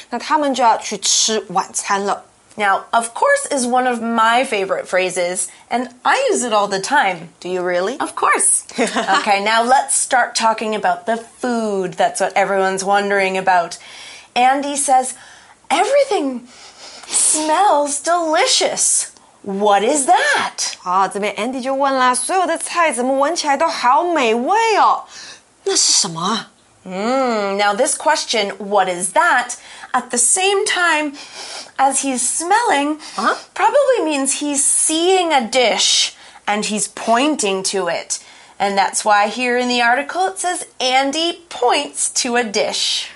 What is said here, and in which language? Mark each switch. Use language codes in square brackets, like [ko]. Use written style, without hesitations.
[zh] 那他们就要去吃晚餐了。 [en] Now, of course is one of my favorite phrases, and I use it all the time. Do you really? Of course. Okay, now let's start talking about the food. That's what everyone's wondering about. Andy says, everything smells delicious. What is that? [zh] 好，这边 Andy 就问了，所有的菜怎么闻起来都好美味哦。那是什么？ [en] Now this question, what is that? At the same time as he's smelling,、uh-huh. probably means he's seeing a dish and he's pointing to it. And that's why here in the article it says Andy points to a dish.